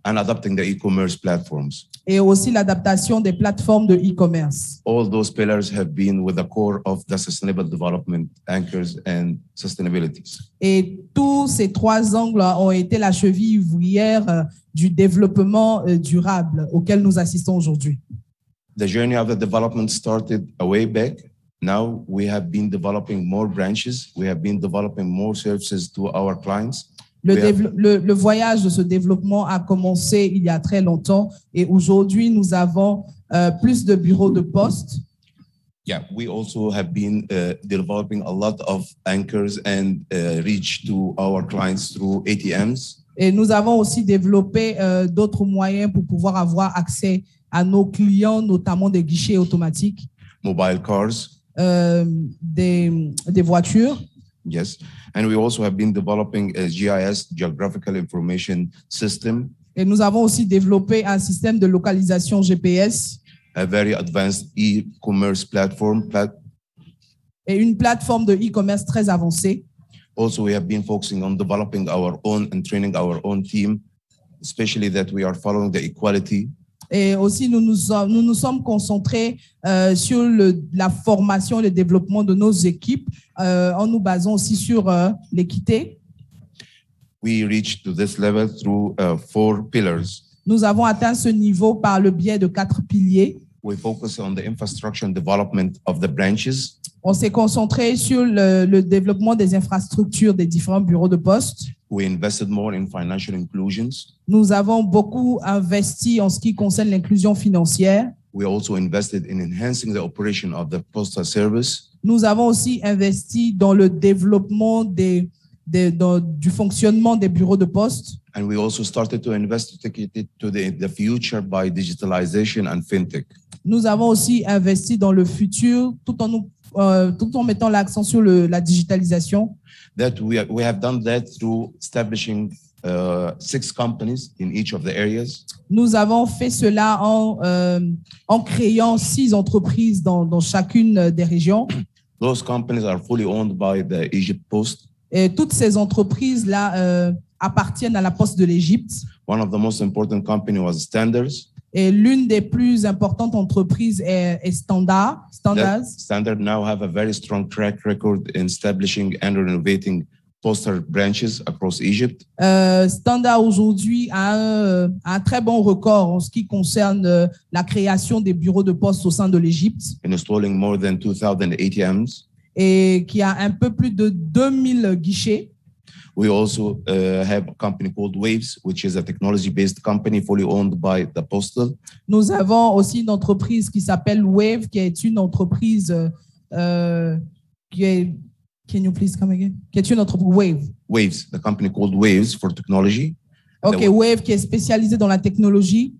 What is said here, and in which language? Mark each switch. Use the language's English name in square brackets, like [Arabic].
[English] And adopting the e-commerce platforms. [French] Et aussi l'adaptation des plateformes de e-commerce. [English] All those pillars have been with the core of the sustainable development anchors and sustainabilities. [French] Et tous ces trois angles ont été la cheville ouvrière du développement durable auquel nous assistons aujourd'hui. [English] The journey of the development started a way back. Now we have been developing more branches. We have been developing more services to our clients. [French] Le voyage de ce développement a commencé il y a très longtemps et aujourd'hui nous avons plus de bureaux de poste. [English] Yeah, we also have been developing a lot of anchors and reach to our clients through ATMs. [French] Et nous avons aussi développé d'autres moyens pour pouvoir avoir accès à nos clients, notamment des guichets automatiques. [English] Mobile cars. [French] Des voitures. [English] Yes, and we also have been developing a GIS, geographical information system. [French] Et nous avons aussi développé un système de localisation GPS. [English] A very advanced e-commerce platform. [French] Et une plateforme de e-commerce très avancée. [English] Also, we have been focusing on developing our own and training our own team, especially that we are following the equality. [French] Et aussi, nous nous sommes concentrés sur la formation et le développement de nos équipes en nous basant aussi sur l'équité. [English] We reached to this level through four pillars. [French] Nous avons atteint ce niveau par le biais de quatre piliers. [English] We focus on the infrastructure and development of the branches. [French] On s'est concentré sur le développement des infrastructures des différents bureaux de poste. [English] We invested more in financial inclusions. [French] Nous avons beaucoup investi en ce qui concerne l'inclusion financière. [English] We also invested in enhancing the operation of the postal service. [French] Nous avons aussi investi dans le développement du fonctionnement des bureaux de poste. [English] And we also started to investigate to the future by digitalization and fintech. [French] Nous avons aussi investi dans le futur tout en mettant l'accent sur la digitalisation. [English] That we have done that through establishing six companies in each of the areas. [French] Nous avons fait cela en créant six entreprises dans chacune des régions. [English] Those companies are fully owned by the Egypt Post. [French] Et toutes ces entreprises là appartiennent à la Poste de l'Égypte. [English] One of the most important companies was Standards. [French] Et l'une des plus importantes entreprises est Standard. [English] Standards. Standard now have a very strong track record in establishing and renovating postal branches across Egypt. [French] Standard aujourd'hui a un très bon record en ce qui concerne la création des bureaux de poste au sein de l'Égypte. [English] Installing more than 2,000 ATMs. [French] Et qui a un peu plus de 2,000 guichets. [English] We also have a company called Waves, which is a technology-based company fully owned by the Postal. [French] Nous avons aussi une entreprise qui s'appelle Wave, qui est une entreprise qui est. [English] Can you please come again? [French] Qui est une entreprise Wave? [English] Waves, the company called Waves for technology. [French] Okay, Wave qui est spécialisée dans la technologie.